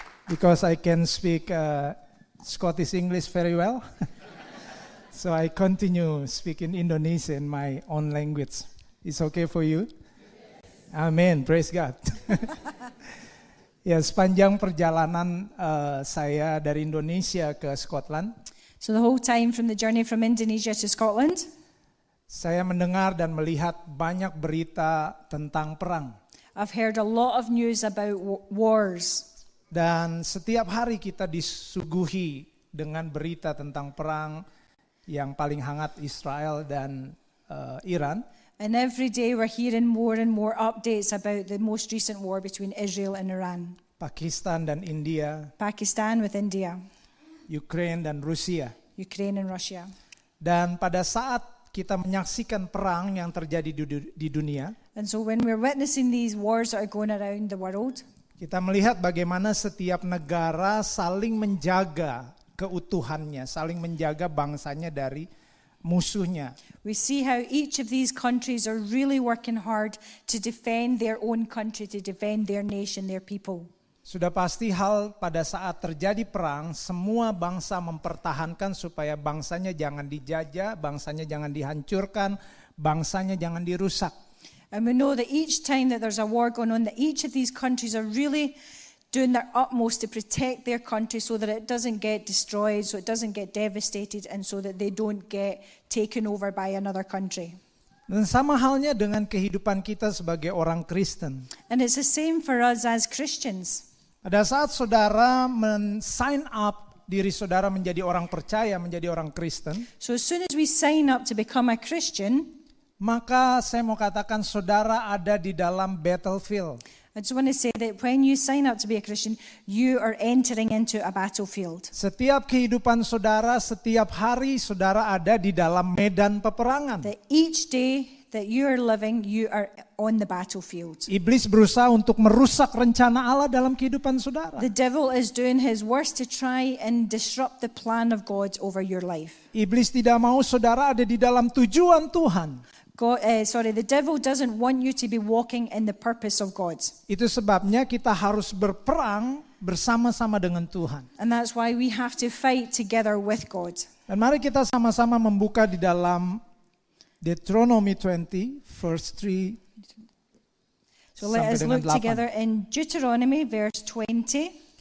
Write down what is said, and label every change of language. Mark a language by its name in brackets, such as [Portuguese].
[English] Because I can speak Scottish English very well, so I continue speaking Indonesian in my own language. It's okay for you? Amin, praise God. [Indonesian] Ya, sepanjang perjalanan saya dari Indonesia ke Scotland. [English] So the whole time from the journey from Indonesia to Scotland. [Indonesian] Saya mendengar dan melihat banyak berita tentang perang. [English] I've heard a lot of news about wars. [Indonesian] Dan setiap hari kita disuguhi dengan berita tentang perang yang paling hangat Israel dan Iran. [English] And every day we're hearing more and more updates about the most recent war between Israel and Iran. [Indonesian] Pakistan dan India. [English] Pakistan with India. [Indonesian] Ukraine dan Rusia. [English] Ukraine and Russia. [Indonesian] Dan pada saat kita menyaksikan perang yang terjadi di dunia. [English] And so when we're witnessing these wars that are going around the world. [Indonesian] Kita melihat bagaimana setiap negara saling menjaga keutuhannya, saling menjaga bangsanya dari musuhnya. [English] We see how each of these countries are really working hard to defend their own country, to defend their nation, their people. [Indonesian] Sudah pasti hal pada saat terjadi perang, semua bangsa mempertahankan supaya bangsanya jangan dijajah, bangsanya jangan dihancurkan, bangsanya jangan dirusak. [English] And we know that each time that there's a war going on, that each of these countries are really doing their utmost to protect their country so that it doesn't get destroyed, so it doesn't get devastated, and so that they don't get taken over by another country. [Indonesian] Dan sama halnya dengan kehidupan kita sebagai orang Kristen. [English] And it's the same for us as Christians. [Indonesian] Pada saat saudara men-sign up diri saudara menjadi orang percaya, menjadi orang Kristen. [English] So as soon as we sign up to become a Christian, [Indonesian] maka saya mau katakan saudara ada di dalam battlefield. [English] I just want to say that when you sign up to be a Christian, you are entering into a battlefield. [Indonesian] Setiap kehidupan saudara, setiap hari saudara ada di dalam medan peperangan. [English] That each day that you are living, you are on the battlefield. [Indonesian] Iblis berusaha untuk merusak rencana Allah dalam kehidupan saudara. [English] The devil is doing his worst to try and disrupt the plan of God over your life. [Indonesian] Iblis tidak mau saudara ada di dalam tujuan Tuhan. [English] The devil doesn't want you to be walking in the purpose of God. [Indonesian] Itu sebabnya kita harus berperang bersama-sama dengan Tuhan. [English] And that's why we have to fight together with God. [Indonesian] Dan mari kita sama-sama membuka di dalam Deuteronomy 20, verse 3. [English] So let us look together in Deuteronomy, verse 20.